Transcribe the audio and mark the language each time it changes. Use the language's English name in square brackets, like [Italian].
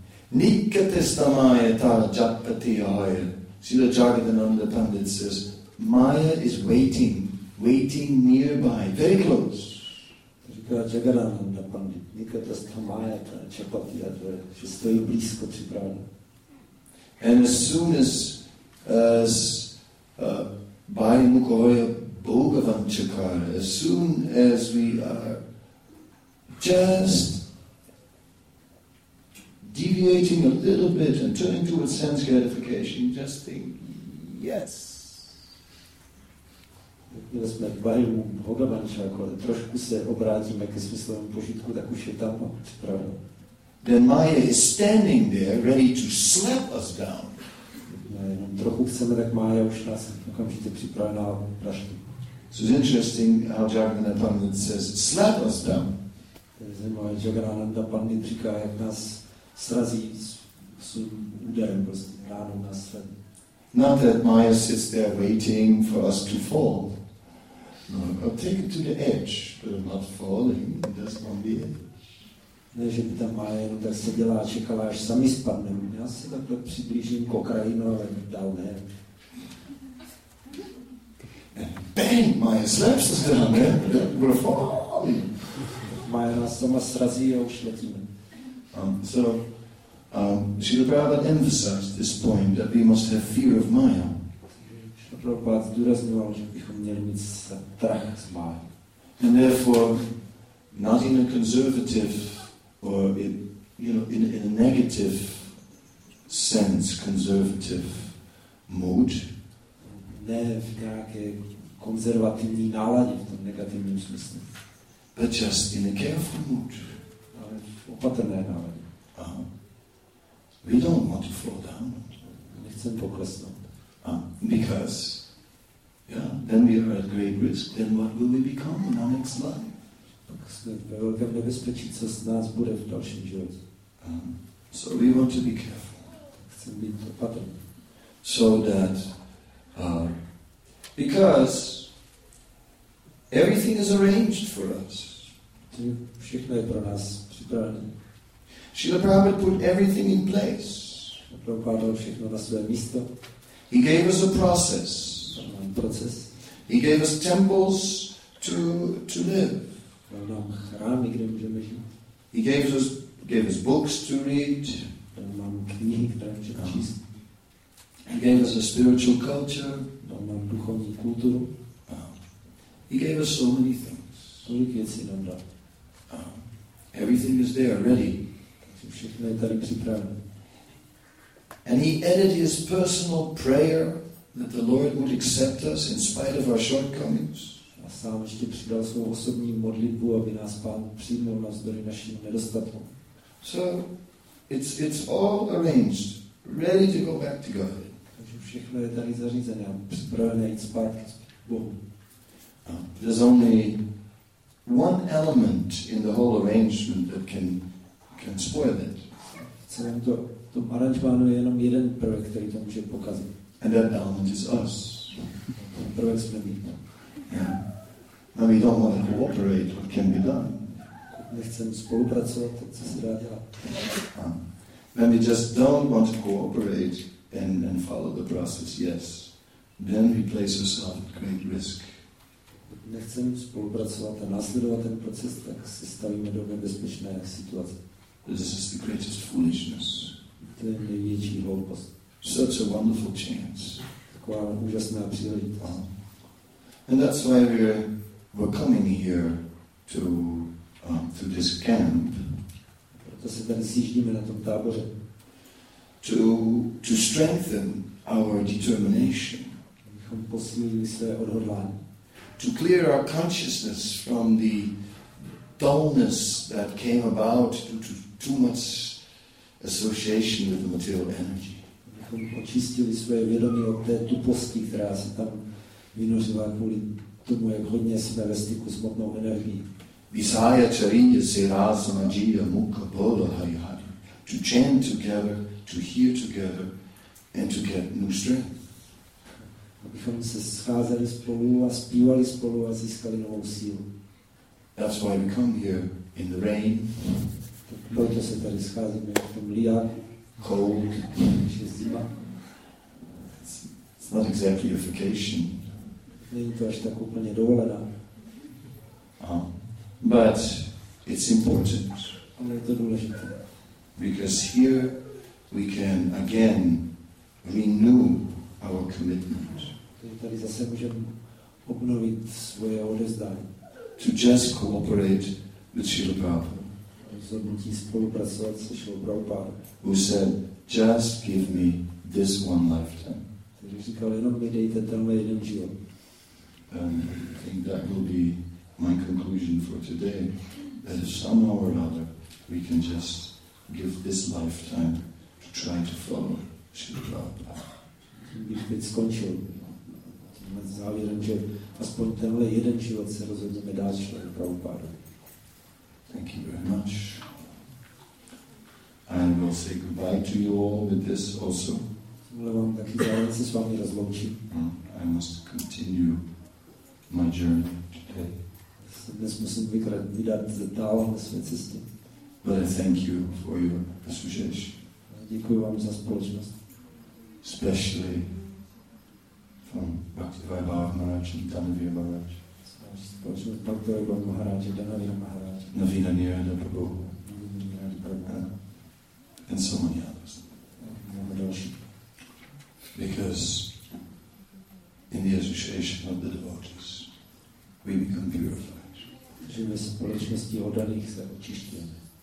[Bangla] Nikatesta Maya tar japati aya. [English] See, the Jagadananda Pandit says, Maya is waiting nearby, very close. [Czech] Říká Jagarananda Pandit, [Bangla] Nikatastha Maya ta Chapati Adva, [Czech] že stojí blízko připraveno. [English] And as soon as Bhai Mukhoya Bhogavan Chakara, as soon as we are just deviating a little bit and turning towards sense gratification, just think, yes. [Czech] Když jsme v Bhajmu Bhogavan Chakara, trošku se obrátíme ke smyslovém požitku, tak už je tam připraveno. [English] Then Maya is standing there, ready to slap us down. [Czech] Trochu chceme, tak Maya už nás okamžitě připravená vraždu. [English] So it's interesting how Jagannatha Pandit says, slap us down. [Czech] Jagannatha Pandit říká, jak nás srazí s úderem, prostě ráno na sled. [English] Not that Maya sits there waiting for us to fall. No, I'll take it to the edge, but I'm not falling, just on the edge. [Czech] Ne, že by tam Maja jenom tak seděla a čekala, až sami spadneme. Já se takhle přiblížím k okraji, no ale dál ne. [English] Bang! Maja slaps us down, ne? We're falling. [Czech] Maja nás sama srazí a už letíme. [English] Srila Prabhupada emphasized this point, that we must have fear of Maya. [Czech] Srila Prabhupada zdůrazňoval, že bychom měli mít strach z Maja. [English] And therefore, not in a conservative or it, you know, in a negative sense, conservative mood. [Czech] Ne v nějaké konzervativní náladě, v tom negativním smyslu. [English] But just in a careful mood. [Czech] Ale v opatrné náladě. [English] We don't want to fall down. [Czech] Nechcem poklesnout. [English] Because, yeah, then we are at great risk. Then what will we become in our next life? [Czech] Ve velkém nebezpečí, co z nás bude v dalším životě. [English] So we want to be careful. [Czech] Chceme být opatrný. [English] So that, because everything is arranged for us. [Czech] Všechno je pro nás připravené. [English] Srila Prabhupada put everything in place. [Czech] Prabhupada dal všechno na své místo. [English] He gave us a process. [Czech] Proces. [English] He gave us temples to live. [Czech] Chrámy, kde můžeme žít. [English] He gave us books to read. [Czech] Mám knihy, které můžeme číst. [English] He gave us a spiritual culture. [Czech] Mám duchovní kulturu. [English] He gave us so many things. [Czech] Tolik věcí nám dal. [English] Everything is there, ready. [Czech] Všechno je tady připraveno. [English] And he added his personal prayer that the Lord would accept us in spite of our shortcomings. [Czech] Sám ještě přidal svou osobní modlitbu, aby nás Pán přijmul navzdory našim nedostatkům. [English] So it's all arranged, ready to go back to God. [Czech] Takže všechno je tady zařízené a připravené jít zpátky k Bohu. [English] There's only one element in the whole arrangement that can spoil it. [Czech] Celém to aranžmánu je jenom jeden prvek, který to může pokazit. [English] And that element is us. [Czech] Prvek jsme my. [English] Yeah. And we don't want to cooperate, what can be done? [Czech] Nechcem spolupracovat, tak co se dá dělat? [English] When we just don't want to cooperate and follow the process, yes, then we place ourselves at great risk. [Czech] Nechcem spolupracovat a následovat ten proces, tak se stavíme do nebezpečné situace. [English] This is the greatest foolishness. [Czech] To je největší hloupost. [English] Such a wonderful chance. [Czech] Taková úžasná příležitost. [English] And that's why we're coming here to this camp. [Czech] Proto se tady sjíždíme na tom táboře. [English] To strengthen our determination. [Czech] Abychom posílili své odhodlání. [English] To clear our consciousness from the dullness that came about due to too much association with the material energy. [Czech] Abychom očistili své vědomí od té tuposti, která se tam vynořila kvůli tomu, jak hodně jsme ve styku s hmotnou energií. [Bangla] Visaya charinya se rasa majiya mukha bodha hari hari. [English] To chant together, to hear together, and to get new strength. [Czech] Abychom se scházeli spolu a zpívali spolu a získali novou sílu. [English] That's why we come here in the rain. [Czech] Proto se tady scházíme v tom liáku. [English] Cold. [Czech] Je zima. [English] It's not exactly a vacation. [Czech] Není to až tak úplně dovolená. [English] But it's important. [Czech] Ale je to důležité. [English] Because here we can again renew our commitment. [Czech] Tady zase můžeme obnovit svoje odevzdání. [English] To just cooperate with Srila Prabhupada. [Czech] Rozhodnutí spolupracovat se Srila Prabhupada. [English] Who said, just give me this one lifetime. [Czech] Říkal, jenom mi dejte tenhle jeden život. [English] I think that will be my conclusion for today, that if somehow or other we can just give this lifetime to try to follow Srila Prabhupada. [Czech] Když teď skončil tím závěrem, že aspoň tenhle jeden život se rozhodneme dát Srila Prabhupada. [English] Thank you very much. And we'll say goodbye to you all with this also. [Czech] Vám taky závěr se s vámi rozloučím. [English] I must continue my journey today. [Czech] Dnes musím vykrát vydat dál na své cestě. [English] But I thank you for your association. [Czech] Děkuji vám za společnost. [English] Especially from Bhaktivaibhava Maharaj and Dhanavira Maharaj. [Czech] Společnost Bhaktivaibhava Maharaj and Dhanavira Maharaj. [English] Navina Nirada Prabhu. And so many others. Because in the association of the devotees, we become purified. [Czech] Že ve společnosti oddaných se očištěme.